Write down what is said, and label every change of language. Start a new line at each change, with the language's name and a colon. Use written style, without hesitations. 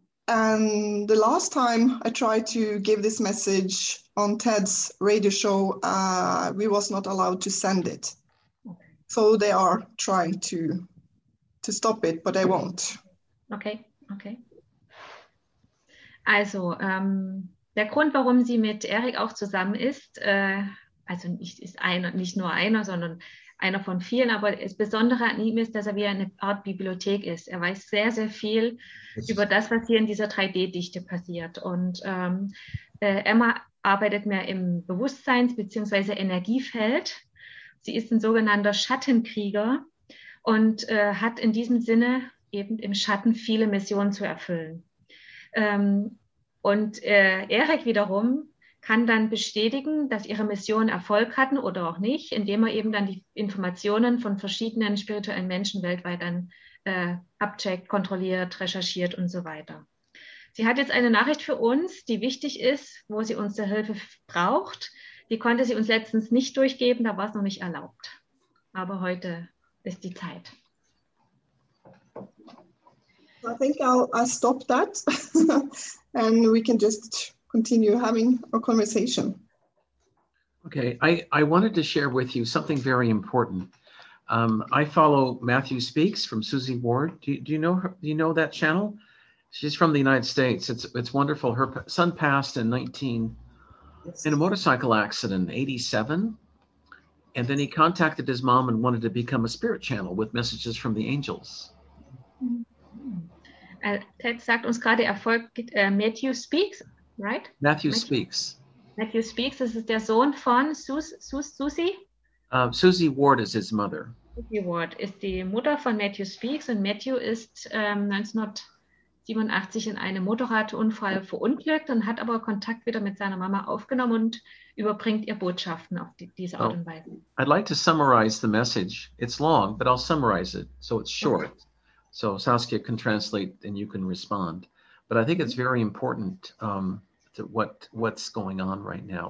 English: And the last time I tried to give this message on Ted's radio show, we was not allowed to send it. Okay. So they are trying to stop it, but they won't. Okay, okay.
German: Also, der Grund, warum sie mit Eric auch zusammen ist, also nicht, ist einer, nicht nur einer, sondern einer von vielen, aber das Besondere an ihm ist, dass er wie eine Art Bibliothek ist. Er weiß sehr, sehr viel über das, was hier in dieser 3D-Dichte passiert. Und Emma arbeitet mehr im Bewusstseins- bzw. Energiefeld. Sie ist ein sogenannter Schattenkrieger und hat in diesem Sinne eben im Schatten viele Missionen zu erfüllen. Und Eric wiederum kann dann bestätigen, dass ihre Missionen Erfolg hatten oder auch nicht, indem er eben dann die Informationen von verschiedenen spirituellen Menschen weltweit dann abcheckt, kontrolliert, recherchiert und so weiter. Sie hat jetzt eine Nachricht für uns, die wichtig ist, wo sie unsere Hilfe braucht. Die konnte sie uns letztens nicht durchgeben, da war es noch nicht erlaubt. Aber heute ist die Zeit.
English: I think I'll stop that and we can just continue having a conversation. Okay, I wanted to share with you something very important. I follow Matthew Speaks from Susie Ward. Do you know her? Do you know that channel? She's from the United States. It's wonderful. Her son passed in 19 yes. in a motorcycle accident, 87. And then he contacted his mom and wanted to become a spirit channel with messages from the angels.
German: Ted sagt uns gerade, er folgt Matthew Speaks, right? Matthew Speaks. Matthew Speaks, das ist der Sohn von Susie?
English: Susie Ward is his mother.
German: Susie Ward ist die Mutter von Matthew Speaks und Matthew ist 1987 in einem Motorradunfall verunglückt und hat aber Kontakt wieder mit seiner Mama aufgenommen und überbringt ihr Botschaften auf diese Art und Weise.
English: I'd like to summarize the message. It's long, but I'll summarize it, so it's short. Okay. So Saskia can translate and you can respond. But I think it's very important to what's going on right now.